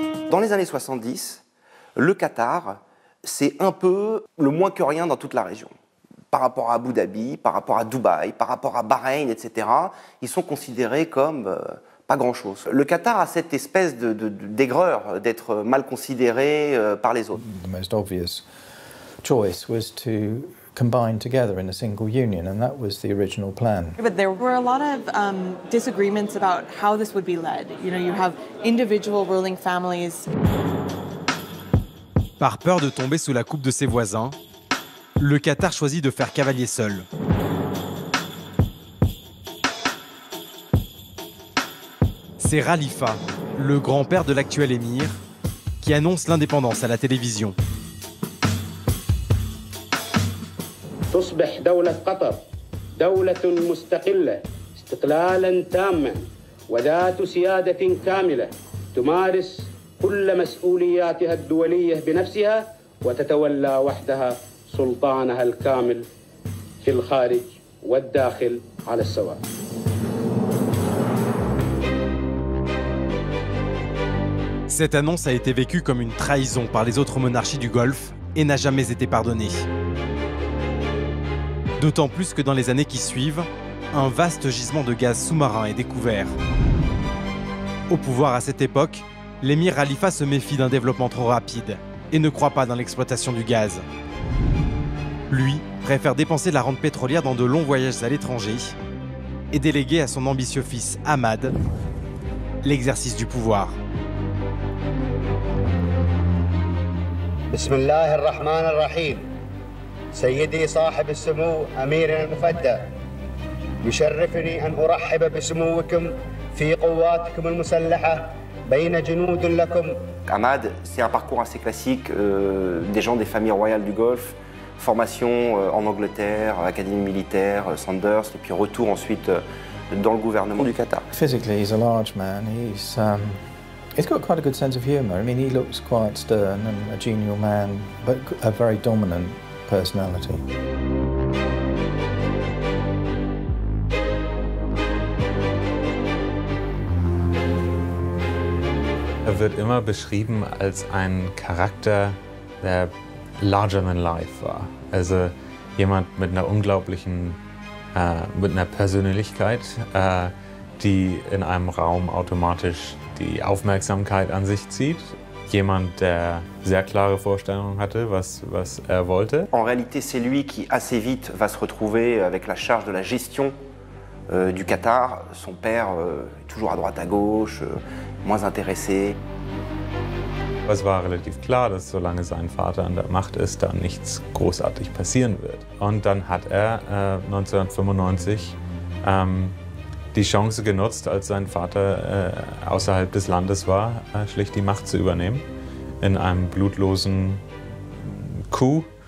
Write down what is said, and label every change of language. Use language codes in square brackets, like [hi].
[fr] Dans les années 70, le Qatar, c'est un peu le moins que rien dans toute la région. Par rapport à Abu Dhabi, par rapport à Dubaï, par rapport à Bahreïn, etc., ils sont considérés comme pas grand-chose. Le Qatar a cette espèce d'aigreur d'être mal considéré par les autres. [en] The most obvious choice was to combine together in a single union, and that was the original plan. But there were a lot of disagreements about how this would be led. You know, you have individual ruling families. [fr] Par peur de tomber sous la coupe de ses voisins, le Qatar choisit de faire cavalier seul. C'est Khalifa, le grand-père de l'actuel émir, qui annonce l'indépendance à la télévision. [ar] تصبح دولة قطر دولة مستقلة استقلالا تاما وذات سيادة كاملة تمارس كل مسؤولياتها الدولية بنفسها وتتولى وحدها سلطانها الكامل في الخارج والداخل على السواء. [fr] Cette annonce a été vécue comme une trahison par les autres monarchies du Golfe et n'a jamais été pardonnée. D'autant plus que dans les années qui suivent, un vaste gisement de gaz sous-marin est découvert. Au pouvoir à cette époque, l'émir Khalifa se méfie d'un développement trop rapide et ne croit pas dans l'exploitation du gaz. Lui préfère dépenser la rente pétrolière dans de longs voyages à l'étranger et déléguer à son ambitieux fils Ahmad l'exercice du pouvoir. [ar] Bismillahirrahmanirrahim. سيدي صاحب السمو أميرنا المفدى يشرفني أن أرحب بسموكم في قواتكم المسلحة بين جنود لكم. [fr] Ahmad, c'est un parcours assez classique des gens des familles royales du Golfe, formation en Angleterre, académie militaire, Sanders, et puis retour ensuite dans le gouvernement du Qatar. [en] Physically, he's a large man. He's got quite a good sense of humor. I mean, he looks quite stern and a genial man, but a very dominant. [de] Er wird immer beschrieben als ein Charakter, der [en] larger than life [de] war. Also jemand mit einer unglaublichen, mit einer Persönlichkeit, die in einem Raum automatisch die Aufmerksamkeit an sich zieht. Jemand, der sehr klare Vorstellungen hatte, was er wollte. [fr] En réalité, c'est lui qui assez vite va se retrouver avec la charge de la gestion du Qatar. Son père, toujours à droite, à gauche, moins intéressé. [de] Es war relativ klar, dass solange sein Vater an der Macht ist, da nichts großartig passieren wird. Und dann hat er 1995 die Chance genutzt, als sein Vater außerhalb des Landes war, schlicht die Macht zu übernehmen, in einem blutlosen Coup.